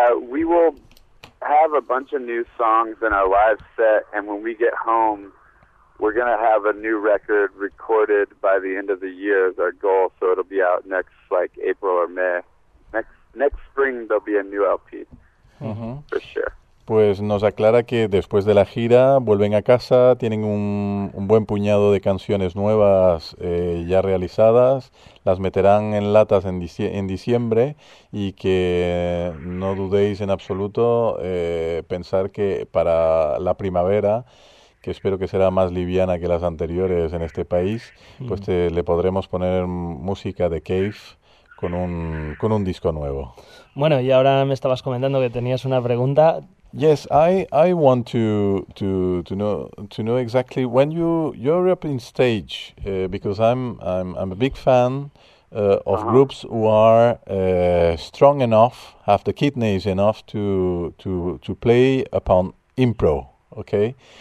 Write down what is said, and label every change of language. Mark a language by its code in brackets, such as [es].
[en] We will have a bunch of new songs in our live set, and when we get home, we're going to have a new record recorded by the end of the year is our goal, so it'll be out next, like, April or May. Next spring there'll be a new LP, for sure. [es] Pues nos aclara que después de la gira vuelven a casa, tienen un buen puñado de canciones nuevas ya realizadas, las meterán en latas en diciembre y que no dudéis en absoluto pensar que para la primavera, que espero que será más liviana que las anteriores en este país, pues le podremos poner música de Cave con un disco nuevo. Bueno, y ahora me estabas comentando que tenías una pregunta. [en] Yes, I want to know exactly when you're up in stage, because I'm a big fan of groups who are strong enough, have the kidneys enough to play upon impro, okay?